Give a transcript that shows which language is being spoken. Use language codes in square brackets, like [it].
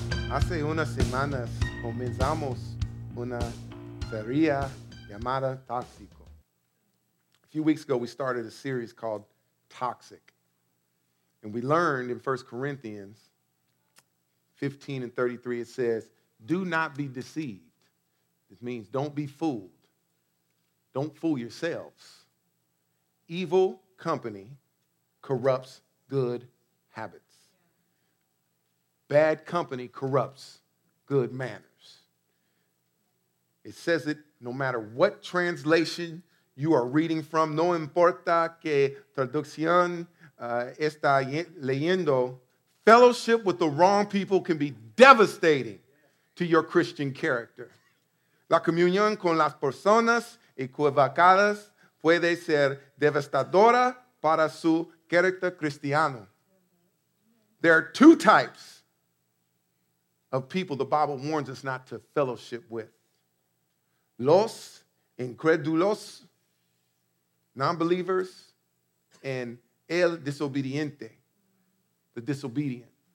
[es] Hace unas semanas comenzamos una serie llamada Tóxico. [en] A few weeks ago, we started a series called Toxic, and we learned in 1 Corinthians 15 and 33, it says, do not be deceived. It means don't be fooled. Don't fool yourselves. Evil company corrupts good habits. Bad company corrupts good manners. It says it no matter what translation you are reading from, [es] no importa que traducción está leyendo, [en] fellowship with the wrong people can be devastating to your Christian character. [es] La comunión con las personas equivocadas puede ser devastadora para su carácter cristiano. [en] There are two types of people the Bible warns us not to fellowship with. [es] Los incrédulos, [en] non-believers, and [es] el desobediente, [en] the disobedient.